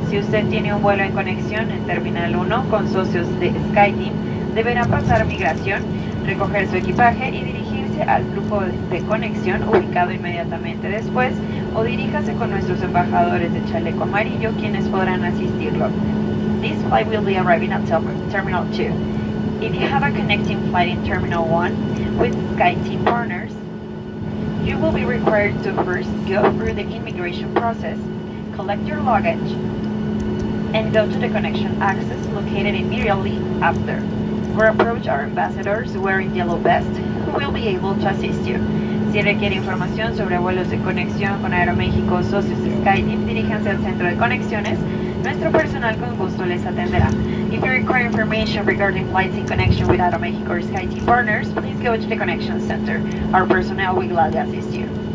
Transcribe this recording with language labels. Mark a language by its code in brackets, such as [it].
[es] Si usted tiene un vuelo en conexión en Terminal 1 con socios de SkyTeam, deberá pasar migración, recoger su equipaje y dirigirse al grupo de conexión ubicado inmediatamente después o diríjase con nuestros embajadores de chaleco amarillo quienes podrán asistirlo. [en] This flight will be arriving at Terminal 2. If you have a connecting flight in Terminal 1 with SkyTeam partners, you will be required to first go through the immigration process, collect your luggage, and go to the connection access located immediately after. We approach our ambassadors wearing yellow vests who will be able to assist you. [es] Si requiere información sobre vuelos de conexión con Aeroméxico o socios de SkyTeam, diríjanse al centro de conexiones. Nuestro personal con gusto les atenderá. [en] If you require information regarding flights in connection with Aeroméxico or SkyTeam partners, please go to the connection center. Our personnel will gladly assist you.